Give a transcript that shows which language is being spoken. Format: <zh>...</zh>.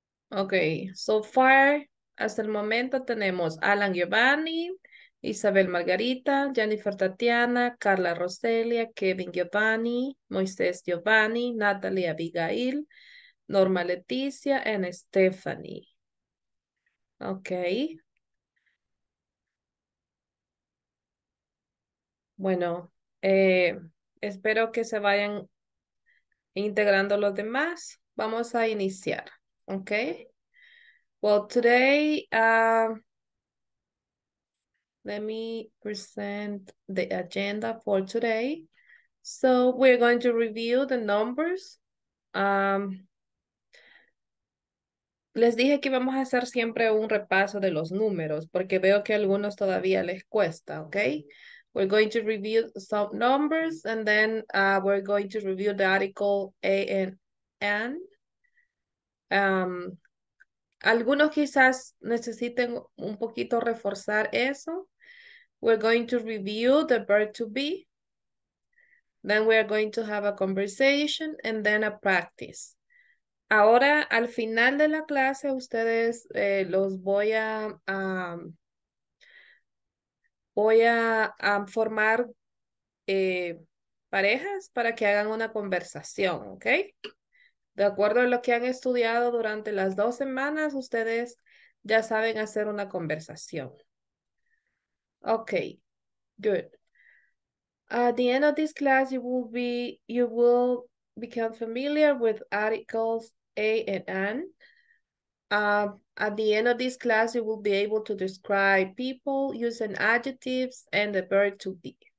<en>Okay, so far,</en> <es>hasta el momento tenemos</es> <en>Alan Giovanni, Isabel Margarita, Jennifer Tatiana, Carla Roselia, Kevin Giovanni, Moisés Giovanni, Natalie Abigail, Norma Leticia, and Stephanie. Okay.</en> <es>Bueno, espero que se vayan integrando los demás. Vamos a iniciar, okay?</es> <en>Well, today, let me present the agenda for today. So we're going to review the numbers.</en> <es>Les dije que vamos a hacer siempre un repaso de los números porque veo que a algunos todavía les cuesta, okay?</es> <en>We're going to review some numbers and then we're going to review the article A and N.</en> <es>Algunos quizás necesiten un poquito reforzar eso.</es> <en>We're going to review the verb to be. Then we are going to have a conversation and then a practice.</en> <es>Ahora, al final de la clase, ustedes los voy a... Voy a formar parejas para que hagan una conversación, ¿ok? De acuerdo a lo que han estudiado durante las 2 semanas, ustedes ya saben hacer una conversación.</es> <en>Ok, good. At the end of this class, you will become familiar with articles A and N. At the end of this class, you will be able to describe people using adjectives and the verb to be.</en>